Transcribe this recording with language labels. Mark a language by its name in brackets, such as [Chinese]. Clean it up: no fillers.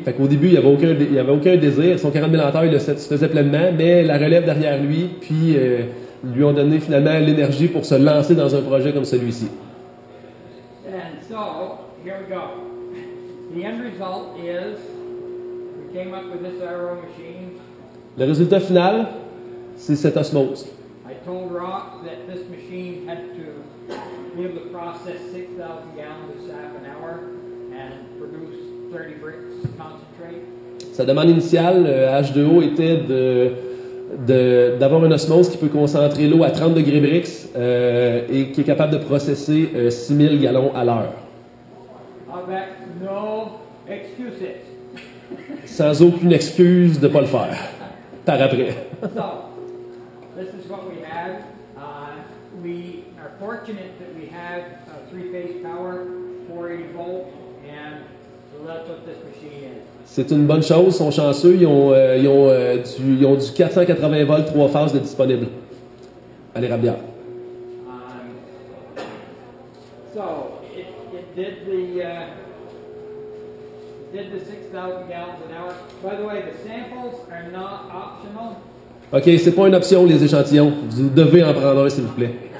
[French] Fait qu'au début, il avait aucun désir. Son 40 000 entailles, il le faisait pleinement. Mais la relève derrière lui, puis lui ont donné finalement l'énergie pour se lancer dans un projet comme celui-ci. [English] So, here we go. The end result is, we came up with this aero machine. [French] Le résultat final, c'est cette osmose. [English] I told Rock that this machine had to be able to process 6,000 gallons of sap an hour and produce 30 bricks of concentrate. [French] Sa demande initiale, H2O, était de... D'avoir une osmose qui peut concentrer l'eau à 30 degrés Brix et qui est capable de processer 6000 gallons à l'heure. Avec [English] no excuses. [French] Sans aucune excuse de ne pas le faire. Par après. [English] So, this is what we have. We are fortunate that we have a three-phase power, 480 volts, and that's what this machine is. [French] C'est une bonne chose, ils sont chanceux, ils ont du 480 volts, 3 phases de disponible à l'érablière. [English] So, it did the 6,000 gallons an hour. By the way, the samples are not optional. [French] OK, c'est pas une option les échantillons, vous devez en prendre un s'il vous plaît.